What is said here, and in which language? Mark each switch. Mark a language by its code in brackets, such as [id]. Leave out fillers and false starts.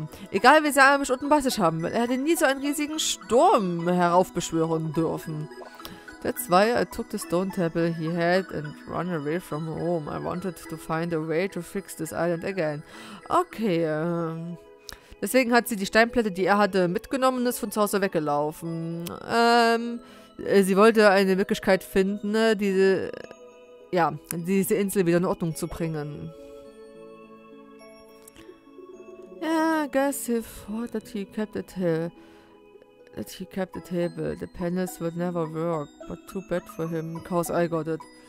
[de] Egal wie sehr er mich unten bei sich haben will, er hätte nie so einen riesigen Sturm heraufbeschwören dürfen. [en] That's why I took the stone table he had and run away from home. I wanted to find a way to fix this island again. [de] Okay, deswegen hat sie die Steinplatte, die er hatte, mitgenommen und ist von zu Hause weggelaufen. Sie wollte eine Möglichkeit finden, diese Insel wieder in Ordnung zu bringen. [en] Yeah, I guess he thought that he kept it here. That he kept the table. The panels would never work, but too bad for him, cause I got it.